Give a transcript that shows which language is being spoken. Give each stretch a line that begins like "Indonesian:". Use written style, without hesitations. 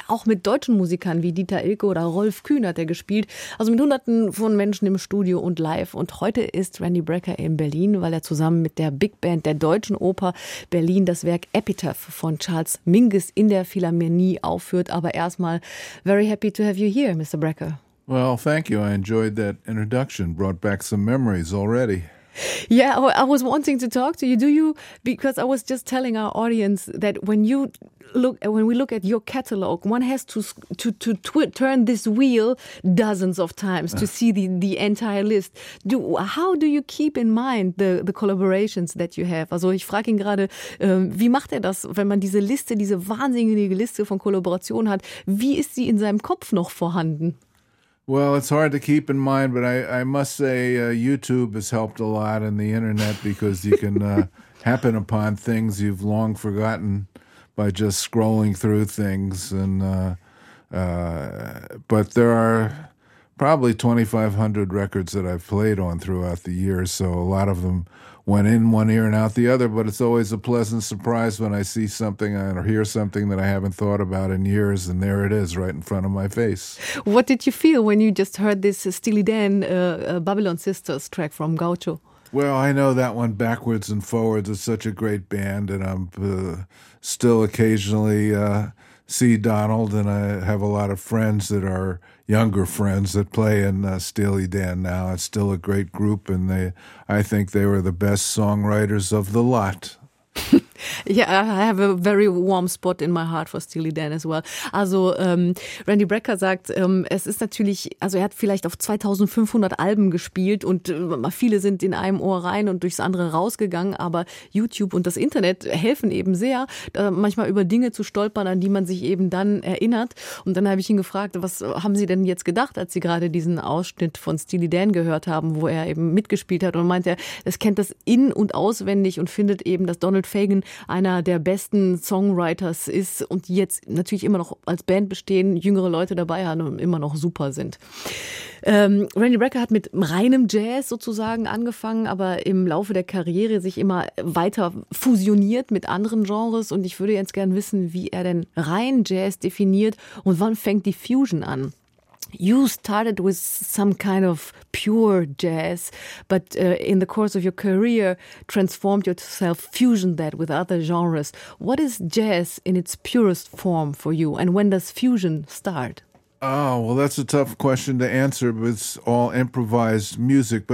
German: Auch mit deutschen Musikern wie Dieter Ilke oder Rolf Kühn hat er gespielt. Also mit Hunderten von Menschen im Studio und live. Und heute ist Randy Brecker in Berlin, weil er zusammen mit der Big Band der Deutschen Oper Berlin das Werk Epitaph von Charles Mingus in der Philharmonie aufführt. Aber erstmal,
English: very happy to have you here, Mr. Brecker. Well, thank you. I enjoyed that introduction. Brought back some memories already. Yeah, I was wanting to talk to you. Do you, because I was just telling our audience that when we look at your catalog, one has to turn this wheel dozens of times to see the entire list. How do you keep in mind the collaborations that you have?
German: Also ich frage ihn gerade, wie macht er das, wenn man diese Liste, diese wahnsinnige Liste von Kollaborationen hat, wie ist sie in seinem Kopf noch vorhanden?
English: Well, it's hard to keep in mind, but I must say YouTube has helped a lot and the internet, because you can happen upon things you've long forgotten by just scrolling through things. And but there are probably 2,500 records that I've played on throughout the years, so a lot of them went in one ear and out the other, but it's always a pleasant surprise when I see something or hear something that I haven't thought about in years, and there it is right in front of my face. What did you feel when you just heard this Steely Dan Babylon Sisters track from Gaucho? Well, I know that one backwards and forwards. It's such a great band, and I'm still occasionally see Donald, and I have a lot of friends that are younger friends that play in Steely Dan now. It's still a great group, and I think they were the best songwriters of the lot. Yeah, I have a very warm spot in my heart for Steely Dan as well.
German: Also Randy Brecker sagt, es ist natürlich, also er hat vielleicht auf 2500 Alben gespielt und viele sind in einem Ohr rein und durchs andere rausgegangen, aber YouTube und das Internet helfen eben sehr, manchmal über Dinge zu stolpern, an die man sich eben dann erinnert. Und dann habe ich ihn gefragt, was haben Sie denn jetzt gedacht, als Sie gerade diesen Ausschnitt von Steely Dan gehört haben, wo er eben mitgespielt hat, und meint er, es kennt das in- und auswendig und findet eben, dass Donald Fagen einer der besten Songwriters ist und jetzt natürlich immer noch als Band bestehen, jüngere Leute dabei haben und immer noch super sind. Randy Brecker hat mit reinem Jazz sozusagen angefangen, aber im Laufe der Karriere sich immer weiter fusioniert mit anderen Genres, und ich würde jetzt gern wissen, wie er denn rein Jazz definiert und wann fängt die Fusion an?
English: You started with some kind of pure jazz, but in the course of your career, transformed yourself, fusioned that with other genres. What is jazz in its purest form for you, and when does fusion start? Oh, well, that's a tough question to answer, but it's all improvised music.